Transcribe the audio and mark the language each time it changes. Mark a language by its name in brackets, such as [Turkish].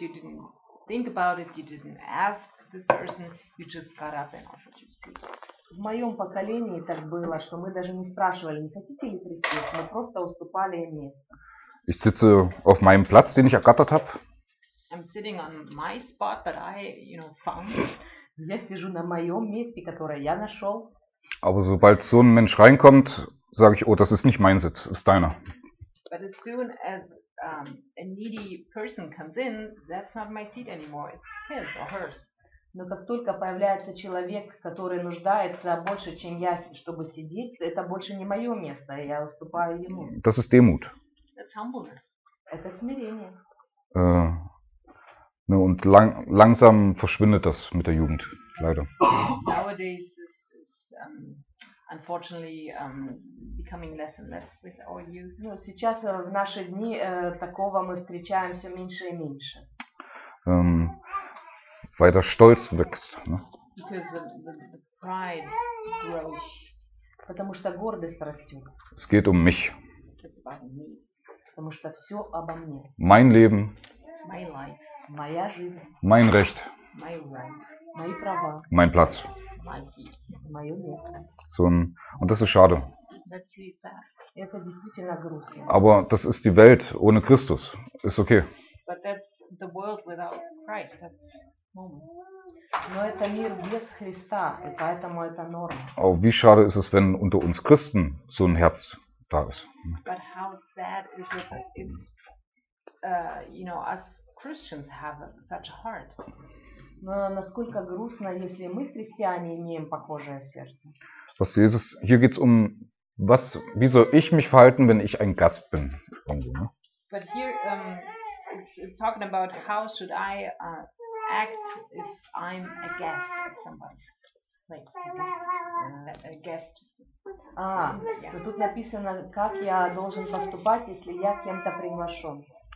[English] You didn't think about it. You didn't ask this person. You just got up and offered your seat. [Russian] В моем поколении так было, что мы даже не спрашивали, не хотите ли присесть, мы просто уступали место. [German] Ich sitze auf meinem Platz, den ich ergattert habe. [English] I'm sitting on my spot that I, you know, found. [Russian] Я сижу на моем месте, которое я нашел. [German] Aber sobald so ein Mensch reinkommt, sage ich, oh, das ist nicht mein Sitz, ist deiner. [English] But as soon as a needy person comes in, that's not my seat anymore, it's his or hers. [Russian] Но как только появляется человек, который нуждается больше, чем я, чтобы сидеть, это больше не мое место, я уступаю ему. [German] Das ist Demut. [English] That's humbleness. [Russian] Это смирение. [German] Ne, und langsam verschwindet das mit der Jugend, leider. [English] Nowadays it's unfortunately becoming less and less with our youth. [Russian] Ну, сейчас в наши дни такого мы встречаем все меньше и меньше. [German] Weil der Stolz wächst, ne? [English] Because the pride grows. [Russian] Потому что гордость растет. [German] Es geht um mich. [English] It's about me. [Russian] Потому что все обо мне. [German] Mein Leben. [English] My life. [Russian] Моя жизнь. [German] Mein Recht. [English] My right. [Russian] Мои права. [German] Mein Platz. [Russian] Мое место. [German] So, und das ist schade. [English] That's really sad. [Russian] Это действительно грустно. [German] Aber das ist die Welt ohne Christus. Ist okay. [English] But that's the world without Christ. That's [Russian] Но это мир без Христа, и поэтому это норма. [German] Oh, wie schade ist es, wenn unter uns Christen so ein Herz da ist. [English] But how sad is it if you know, us Christians have such a heart. [Russian] Но насколько грустно, если мы христиане имеем похожее сердце. [German] Was Jesus, hier geht's um was, wie soll ich mich verhalten, wenn ich ein Gast bin? Irgendwo, ne? [English] But here it's talking about how should I act if I'm a guest at somebody's place. Like, a guest. Ah, yeah. [Russian] Тут написано, как я должен поступать, если я кем-то приглашен.